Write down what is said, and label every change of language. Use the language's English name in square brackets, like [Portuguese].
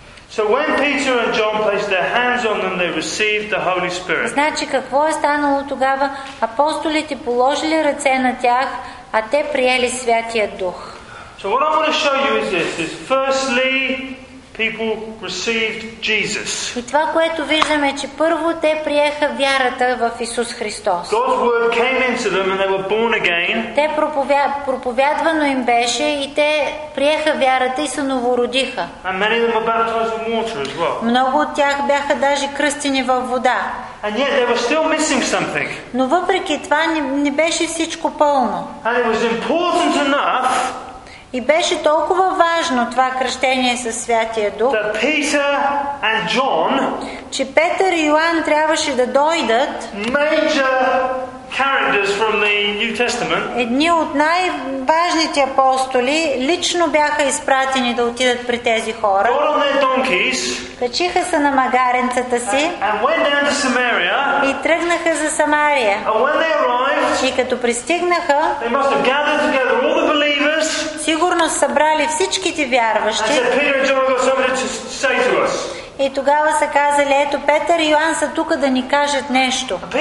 [English] So when Peter and John placed their hands on them, they received the Holy Spirit. [Bulgarian] Значи какво е станало тогава? Апостолите положили ръце на тях, а те приели Святия Дух. [English] So what I want to show you is this. Is firstly, people received Jesus. [Bulgarian] И това, което виждаме, че първо те приеха вярата в Исус Христос. [English] God's word came into them and they were born again. [Bulgarian] Те проповядвано им беше и те приеха вярата и се новородиха. [English] And many of them were baptized in water as well. [Bulgarian] Много от тях бяха даже кръстени във вода. [English] And yet they were still missing something. [Bulgarian] Но въпреки това не беше всичко пълно. [English] And it was important enough. [Bulgarian] И беше толкова важно това кръщение със Святия Дух, [English] that Peter and John, [Bulgarian] че Петър и Йоан трябваше да дойдат, [English] major characters from the New Testament. [Bulgarian] Едни от най-важните апостоли лично бяха изпратени да отидат при тези хора. [English] Got on their donkeys. [Bulgarian] Качиха се на магаренцата си. [English] And went down to Samaria. [Bulgarian] И тръгнаха за Самария. [English] And when they arrived, [Bulgarian] и като пристигнаха, [English] they must have gathered together all the believers. [Bulgarian] Сигурно събрали всичките вярващи. [English] And said, Peter and John got something to say to us. [Bulgarian] И тогава са казали, ето Петър и Йоан са тука да ни кажат нещо.